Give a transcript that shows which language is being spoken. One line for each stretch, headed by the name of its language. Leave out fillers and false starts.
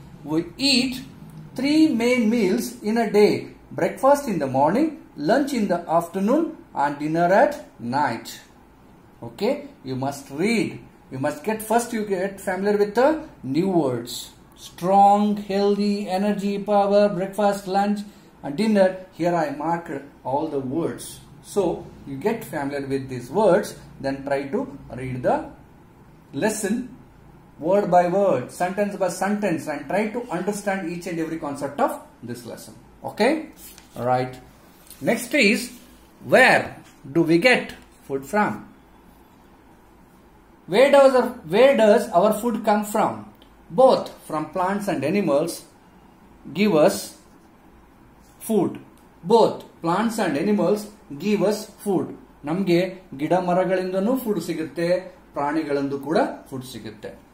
English: We eat 3 main meals in a day, breakfast in the morning, lunch in the afternoon and dinner at night, okay. You must read, you must get first you get familiar with new words, strong, healthy, energy, power, breakfast, lunch and dinner. Here I mark all the words. So you get familiar with these words, then try to read the lesson word by word, sentence by sentence, and try to understand each and every concept of this lesson, okay. All right, next is where do we get food from. Where does our food come from? Both from plants and animals give us food. Both plants and animals give us food.
Kannada: ನಮಗೆ ಗಿಡ ಮರಗಳಿಂದನೂ food ಸಿಗುತ್ತೆ, ಪ್ರಾಣಿಗಳಿಂದ ಕೂಡ food ಸಿಗುತ್ತೆ.